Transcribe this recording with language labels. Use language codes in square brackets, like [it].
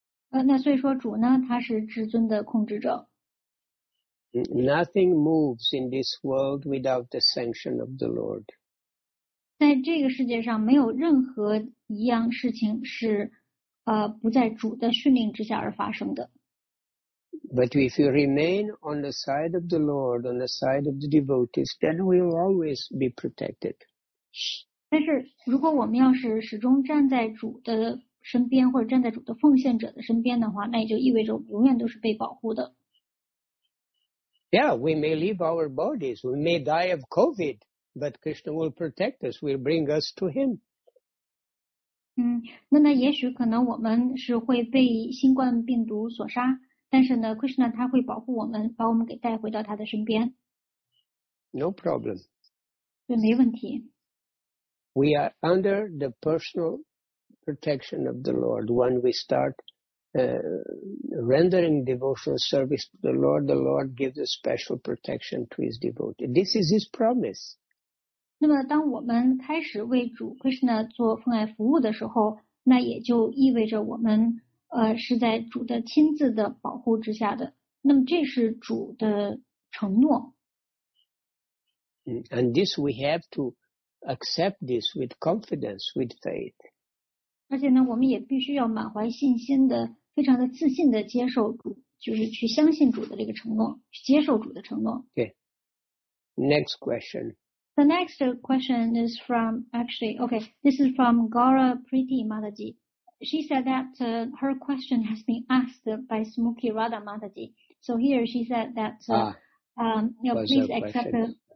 [zh] 那所以说主呢，他是至尊的控制者。 [en] Nothing moves in this world without the sanction of the Lord. [zh] 在这个世界上，没有任何一样事情是。不在主的训令之下而发生的。 [en] But if you remain on the side of the Lord, on the side of the devotees, then we will always be protected. [zh] 但是如果我们要是始终站在主的身边或者站在主的奉献者的身边的话，那也就意味着我们永远都是被保护的。 [en] Yeah, we may leave our bodies, we may die of COVID, but Krishna will protect us, will bring us to Him. [zh] 那么也许可能我们是会被新冠病毒所杀，但是呢 ，Krishna 他会保护我们，把我们给带回到他的身边。 [en] No problem. [zh] 对，没问题。 [en] We are under the personal protection of the Lord. When we start rendering devotional service to the Lord gives a special protection to His devotee. This is His promise. [zh] 那么当我们开始为主 Krishna 做奉爱服务的时候，那也就意味着我们是在主的亲自的保护之下的。那么这是主的承诺。 [en] And this we have to accept this with confidence, with faith. [zh] 而且呢，我们也必须要满怀信心的，非常的自信的接受主，就是去相信主的这个承诺，去接受主的承诺。 [en] Okay. Next question. The next question is from, this is from Gaura Priti Mataji. She said that her question has been asked by Smukhi Radha Mataji. So here she said that, please accept her.